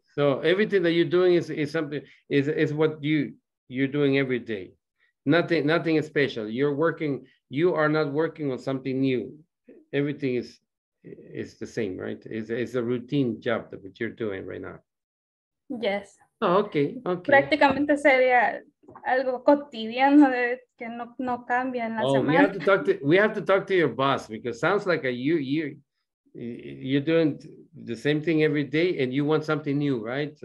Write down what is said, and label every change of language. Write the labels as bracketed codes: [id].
[en] So everything that you're doing is what you're doing every day. Nothing special. You're working, you are not working on something new. Everything is the same, right? It's a routine job that what you're doing right now. Yes. Oh, okay. [es] Prácticamente sería algo cotidiano de que no cambia en la semana. [en] We have to talk to your boss, because it sounds like you're doing the same thing every day and you want something new, right?